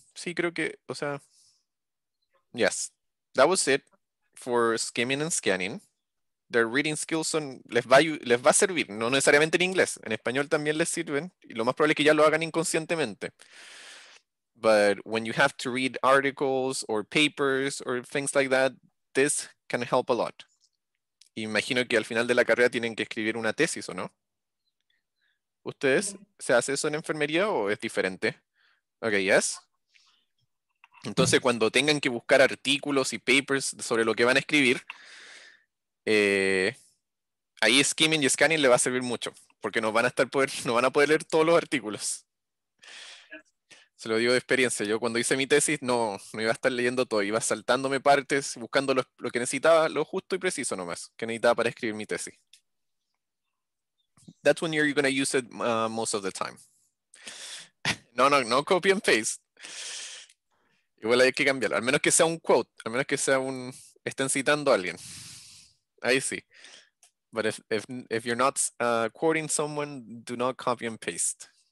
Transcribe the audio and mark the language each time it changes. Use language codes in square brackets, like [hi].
[es] Sí, creo que, o sea, [en] yes, that was it for skimming and scanning. Their reading skills [es] son, les va a servir, no necesariamente en inglés, en español también les sirven y lo más probable es que ya lo hagan inconscientemente. [en] But when you have to read articles or papers or things like that, this can help a lot. [es] Imagino que al final de la carrera tienen que escribir una tesis, ¿o no? ¿Ustedes se hace eso en enfermería o es diferente? Ok, yes. Entonces, cuando tengan que buscar artículos y papers sobre lo que van a escribir, ahí skimming y scanning le va a servir mucho, porque no van a poder leer todos los artículos. Se lo digo de experiencia. Yo cuando hice mi tesis, no iba a estar leyendo todo, iba saltándome partes, buscando lo que necesitaba, lo justo y preciso nomás, que necesitaba para escribir mi tesis. [en] That's when you're going to use it most of the time. No, copy and paste. [es] Igual hay que cambiarlo, al menos que sea un quote, al menos que sea un, estén citando a alguien. Ahí sí. [en] But if you're not quoting someone, do not copy and paste.